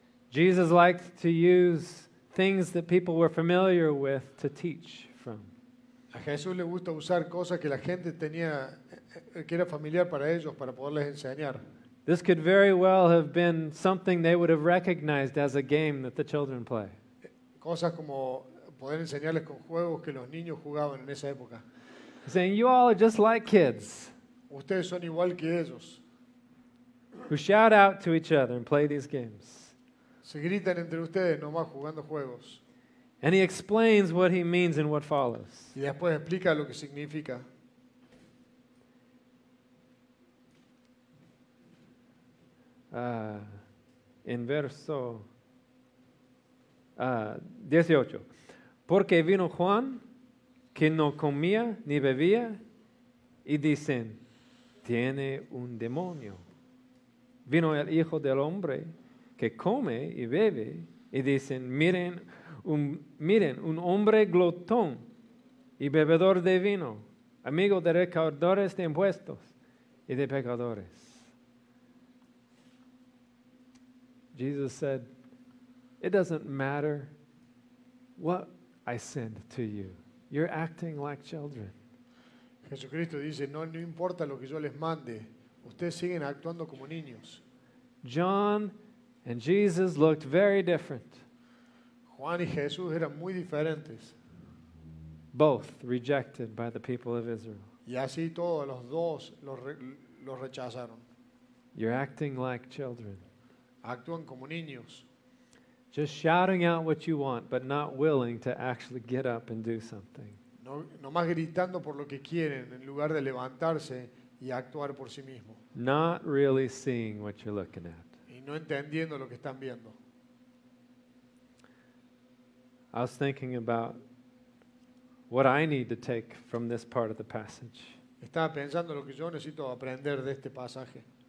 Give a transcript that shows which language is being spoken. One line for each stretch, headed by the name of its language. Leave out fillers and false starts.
English: Jesus liked to use things that people were familiar with to teach from.
Spanish: A Jesús le gusta usar cosas que la gente tenía, que era familiar para ellos, para poderles enseñar.
English: This could very well have been something they would have recognized as a game that the children play.
Spanish: Cosas como poder enseñarles con juegos que los niños jugaban en esa época.
English: Saying, you all are just like kids.
Spanish: Ustedes son igual que ellos.
English: Who shout out to each other and play these games.
Spanish: Se gritan entre ustedes nomás jugando juegos.
English: And he explains what he means in what follows.
Spanish: Y después explica lo que significa. En verso 18. Porque vino Juan, que no comía ni bebía, y dicen, tiene un demonio. Vino el Hijo del Hombre, que come y bebe, y dicen, miren, un hombre glotón y bebedor de vino, amigo de recaudadores de impuestos y de pecadores.
English: Jesus said, it doesn't matter what I send to you. You're acting like children.
Spanish: Jesucristo dice, no importa lo que yo les mande, ustedes siguen actuando como niños.
English: John and Jesus looked very different.
Spanish: Juan y Jesús eran muy diferentes.
English: Both rejected by the people of Israel.
Spanish: Y así todos los dos los rechazaron.
English: You're acting like children.
Spanish: Actúan como niños.
English: Just shouting out what you want, but not willing to actually get up and do something.
Spanish: No más gritando por lo que quieren en lugar de levantarse y actuar por sí mismo.
English: Not really seeing what you're looking at.
Spanish: Y no entendiendo lo que están viendo.
English: I was thinking about what I need to take from this part of the passage.
Spanish: Estaba pensando lo que yo necesito aprender de este pasaje.